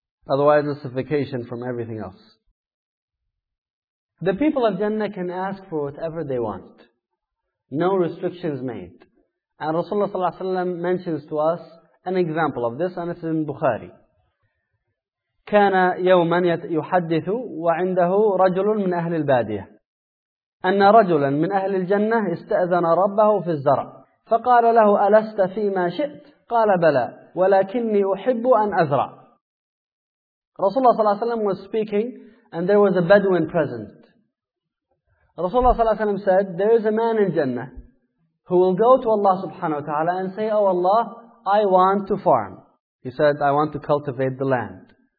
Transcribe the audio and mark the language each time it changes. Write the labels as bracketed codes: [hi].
[en] Otherwise, it's a vacation from everything else. The people of Jannah can ask for whatever they want. No restrictions made. And Rasulullah sallallahu alaihi wasallam mentions to us an example of this, and it's in Bukhari. [ar] كان يوما يحدث وعنده رجل من أهل البادية. أن رجلا من أهل الجنة استأذن ربه في الزرع فقال له ألست فيما شئت؟ قال بلى ولكني أحب أن أزرع. [en] رسول الله صلى الله عليه وسلم was speaking and there was a Bedouin present. رسول الله صلى الله عليه وسلم said, there is a man in Jannah who will go to Allah subhanahu wa ta'ala and say, oh Allah, I want to farm. He said, I want to cultivate the land.